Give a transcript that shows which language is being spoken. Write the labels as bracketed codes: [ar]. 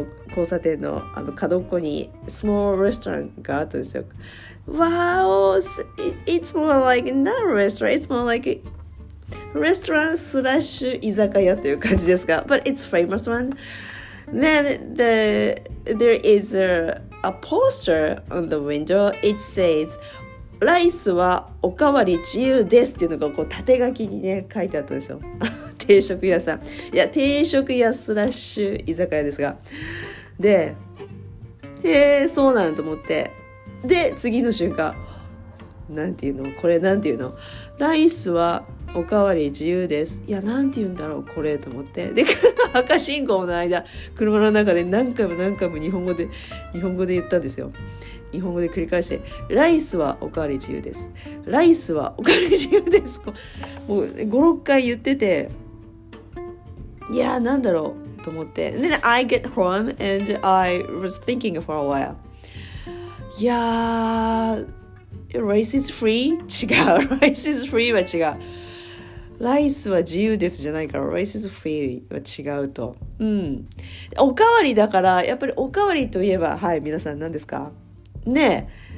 [ja] 交差点の角っこに [en] small restaurant [ja] があったんですよ。 [en] Wow! It's more like not a restaurant. It's more like a restaurant / [ja] 居酒屋という感じですが。 [en] But it's famous one. Then there is a poster on the window. It says, [ja] ライスはおかわり自由ですっていうのがこう縦書きにね書いてあったんですよ。定食屋さん、いや定食屋スラッシュ居酒屋ですが、で、へえそうなんと思って、で次の瞬間、なんていうの、これなんていうの、ライスはおかわり自由です、いやなんていうんだろうこれと思って、で赤信号の間車の中で何回も日本語で言ったんですよ。日本語で繰り返して、ライスはおかわり自由です、ライスはおかわり自由です、もう 5,6 回言ってて、いやなんだろうと思って、 [en] Then I get home and I was thinking for a while. Yeah, rice is free? [ja] 違う、 [en] rice is free [ja] は違う、ライスは自由ですじゃないから、rice is free は違うと、うん、おかわりだから、やっぱりおかわりといえば、はい、皆さん何ですかね、